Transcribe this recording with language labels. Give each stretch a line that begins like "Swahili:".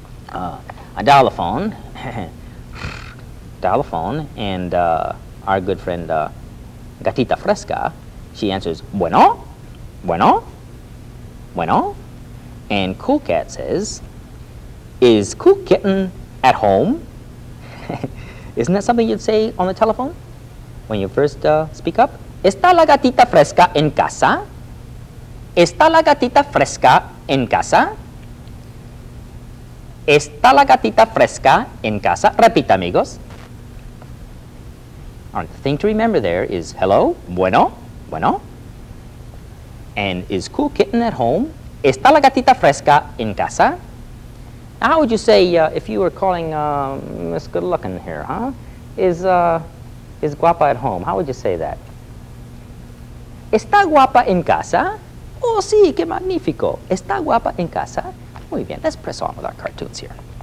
English: I dial a phone. Dial a phone, and our good friend Gatita Fresca, she answers,
Spanish: bueno, bueno, bueno.
English: And Cool Cat says, is Cool Kitten at home? Isn't that something you'd say on the telephone when you first speak up?
Spanish: ¿Está la gatita fresca en casa? ¿Está la gatita fresca en casa? ¿Está la gatita fresca en casa? Repita, amigos.
English: All right, the thing to remember there is hello,
Spanish: bueno, bueno.
English: And is Cool Kitten at home?
Spanish: ¿Está la gatita fresca en casa?
English: Now, how would you say if you were calling Miss Good Looking here, huh? Is guapa at home? How would you say that?
Spanish: ¿Está guapa en casa? Oh, sí, qué magnífico. ¿Está guapa en casa? Muy bien,
English: let's press on with our cartoons here.